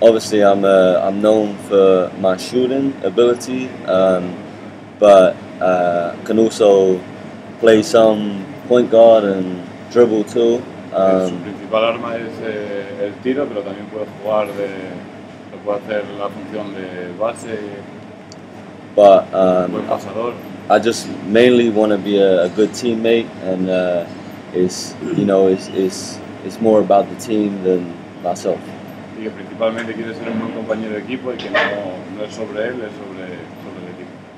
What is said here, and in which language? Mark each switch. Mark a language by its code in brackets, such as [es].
[en] Obviously, I'm known for my shooting ability, but can also play some point guard and dribble too. [es] Su principal arma es el tiro, pero también puedo hacer la función de base. [en] But [es] buen pasador. [en] I just mainly want to be a good teammate, and it's more about the team than myself. [es] Y que principalmente quiere ser un buen compañero de equipo y que no es sobre él, es sobre el equipo.